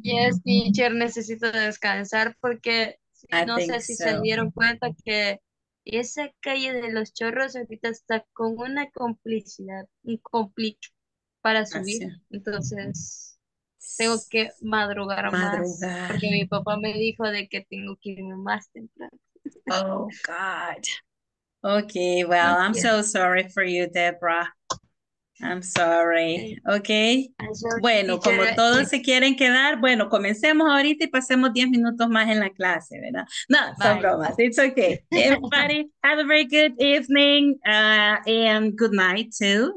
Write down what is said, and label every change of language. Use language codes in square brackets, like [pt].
[en] Yes, teacher, [es] necesito descansar porque no sé si se dieron cuenta que esa calle de los chorros ahorita está con una complicidad, un complique para subir. Así. Entonces... tengo que madrugar. Porque mi papá me dijo de que tengo que irme más temprano. [en] Oh, God. Okay, well, thank I'm you. So sorry for you, Deborah. I'm sorry. Okay. [es] Bueno, como todos se quieren quedar, bueno, comencemos ahorita y pasemos 10 minutos más en la clase, ¿verdad? No, son bromas. [en] It's okay. Everybody, have a very good evening and good night, too.